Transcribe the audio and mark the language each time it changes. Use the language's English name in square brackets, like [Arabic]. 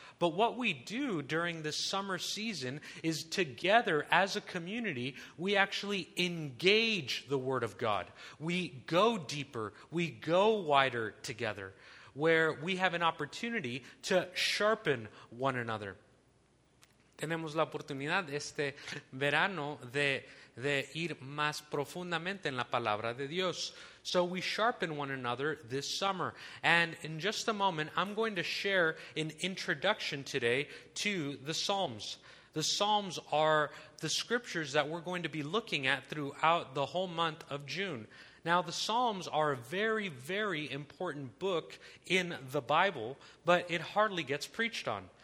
[English] But what we do during the summer season is together as a community, we actually engage the Word of God. We go deeper, we go wider together, where we have an opportunity to sharpen one another. [Spanish] Tenemos la oportunidad este verano de ir más profundamente en la palabra de Dios. [English] So we sharpen one another this summer. And in just a moment, I'm going to share an introduction today to the Psalms. The Psalms are the scriptures that we're going to be looking at throughout the whole month of June. Now, the Psalms are a very, very important book in the Bible, but it hardly gets preached on.